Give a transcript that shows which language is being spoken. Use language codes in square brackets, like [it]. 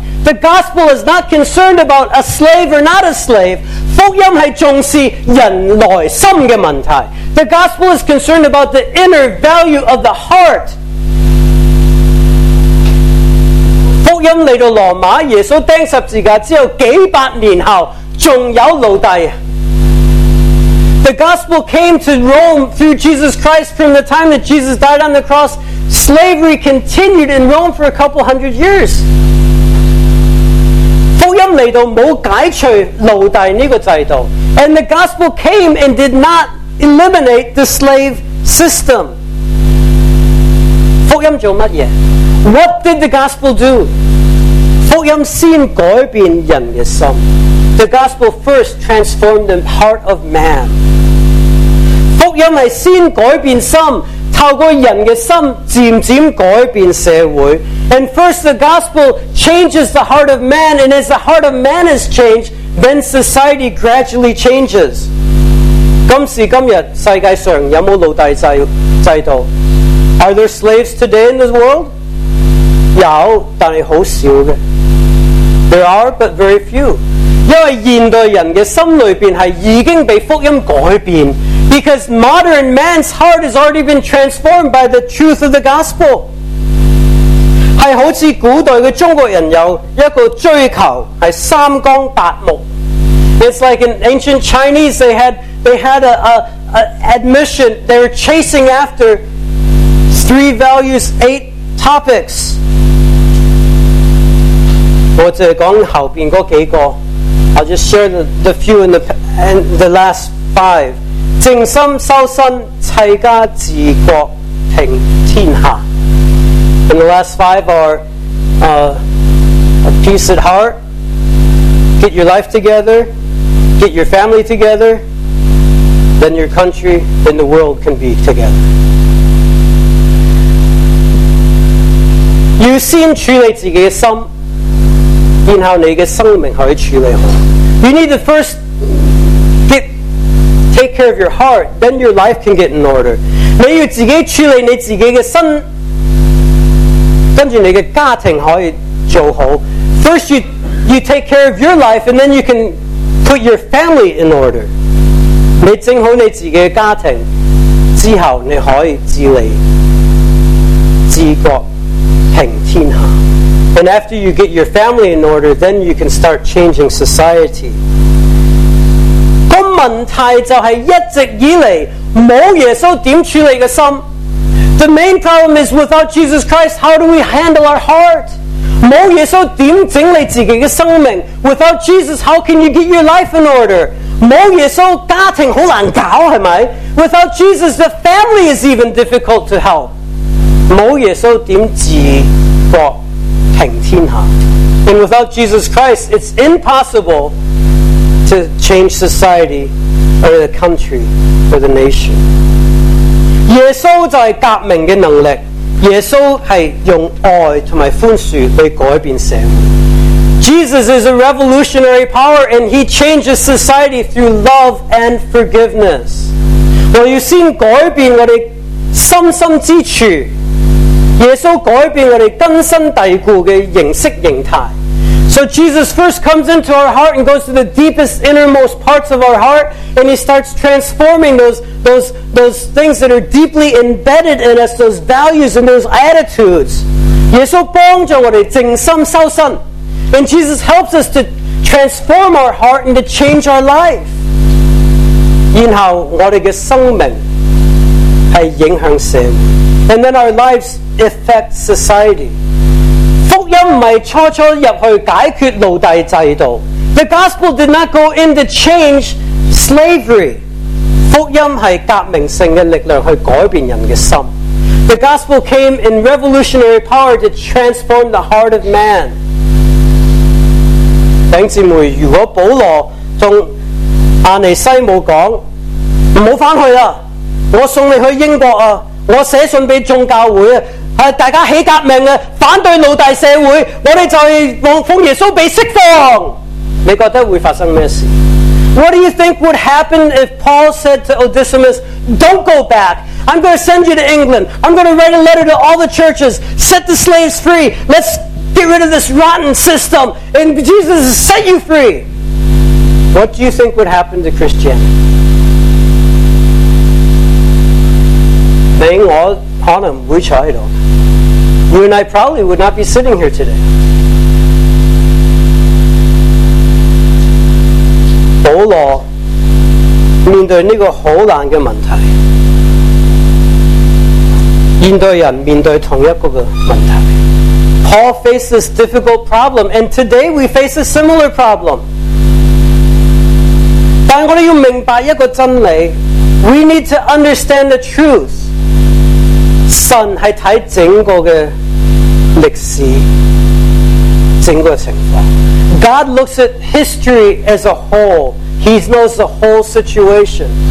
[en] The gospel is not concerned about a slave or not a slave. [zh] 福音是重视人内心的问题。 [en] The gospel is concerned about the inner value of the heart. [zh] 福音来到罗马，耶稣钉十字架之后几百年后，还有奴隶。 [en] The gospel came to Rome through Jesus Christ from the time that Jesus died on the cross Slavery continued in Rome for a couple hundred years. [zh] 福音来到没有解除奴隶这个制度。 [en] And the gospel came and did not eliminate the slave system. [zh] 福音做乜嘢？ [en] What did the gospel do? [zh] 福音先改变人的心。 [en] The gospel first transformed the heart of man. [zh] 福音是先改变心，透过人的心渐渐改变社会。 [en] And first the gospel changes the heart of man, and as the heart of man is changed, then society gradually changes. [zh] 今时今日世界上有没有奴隶制度？ [en] Are there slaves today in this world? [zh] 有，但是很少的。 [en] There are, but very few. [zh] 因为现代人的心里面是已经被福音改变。 [en] Because modern man's heart has already been transformed by the truth of the gospel. [zh] 是好像古代的中国人有一个追求，是三纲八目。 [en] It's like in ancient Chinese, they had an admission, they were chasing after three values, eight topics. [zh] 我只是讲后面那几个， [en] I'll just share the last five. [zh] 静心修身齐家治国平天下。 [en] And the last five are a peace at heart, get your life together, get your family together, then your country, then the world can be together. [zh] 要先处理自己的心，然后你的生命可以处理好。 [en] You need the firstTake care of your heart, then your life can get in order. [zh] 你要自己处理你自己的身，跟着你的家庭可以做好。 [en] First, you take care of your life, and then you can put your family in order. [zh] 你整好你自己的家庭，之后你可以治理治国平天下。 [en] And after you get your family in order, then you can start changing society. [zh] 问题就是一直以来没耶稣怎么处理的心。 [en] The main problem is without Jesus Christ, how do we handle our heart? [zh] 没耶稣怎么整理自己的生命。 [en] Without Jesus, how can you get your life in order? [zh] 没耶稣家庭很难搞，是吗？ [en] Without Jesus, the family is even difficult to help. [zh] 没耶稣怎么治国平天下。 [en] And without Jesus Christ, it's impossible. To change society, or the country, or the nation. [zh] 耶稣就是革命的能力。耶稣是用爱和宽恕来改变社会。 [en] Jesus is a revolutionary power, and he changes society through love and forgiveness. [zh] 我要先改变我们深深之处。耶稣改变我们根深蒂固的形式形态。 [en] So Jesus first comes into our heart and goes to the deepest, innermost parts of our heart, and he starts transforming those things that are deeply embedded in us, those values and those attitudes. [zh] 耶稣帮助我们静心修身。 [en] And Jesus helps us to transform our heart and to change our life. [zh] 然后我们的生命是影响社会。 [en] And then our lives affect society. [zh] 福音不是初初入去解决奴隶制度。 [en] The gospel did not go in to change slavery. [zh] 福音是革命性的力量去改变人的心。 [en] The gospel came in revolutionary power to transform the heart of man. [zh] 弟兄姊妹，如果保罗同亚尼西姆讲，唔好翻去啦，我送你去英国啊，我写信俾众教会啊。大家起革命啊！反对奴隶社会，我们就是奉耶稣被释放。你觉得会发生什么事？ [en] What do you think would happen if Paul said to Onesimus, "Don't go back. I'm going to send you to England. I'm going to write a letter to all the churches. Set the slaves free. Let's get rid of this rotten system. And Jesus has set you free." What do you think would happen to Christianity? [zh] 你我。 [en] You and I probably would not be sitting here today. [zh] 保罗面对这个很难的问题，现代人面对同一个问题。 [en] Paul faced this difficult problem, and today we face a similar problem. [zh] 但我们要明白一个真理。 [en] We need to understand the truth. [zh] 神是看整个的历史，整个情况。 [en] God looks at history as a whole. He knows the whole situation.